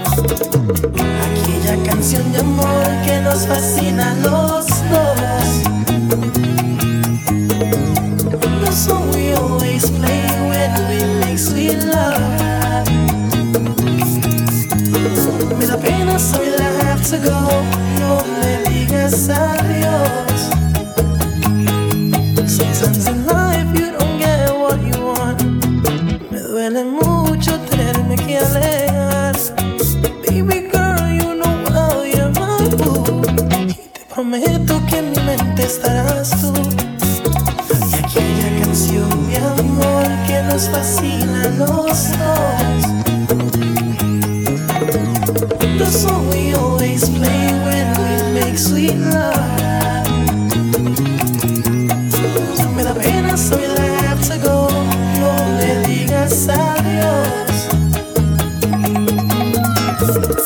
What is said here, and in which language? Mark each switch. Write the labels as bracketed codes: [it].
[es] Aquella canción de amor que nos fascina a los dos. [en] The song we always play when we make sweet love. So I have to go. [es] No le digas adiós. [en] Sometimes in life you don't get what you want. [es] Me duele mucho tenerme que alejar. [en] Baby girl, you know how you're my boo. [es] Y te prometo que en mi mente estarás tú. Y aquella canción de amor que nos fascina a los dos. [en] The song we always play when we make sweet love. [es] Me da pena, [en] so I have to go. [es] No le digas adiós.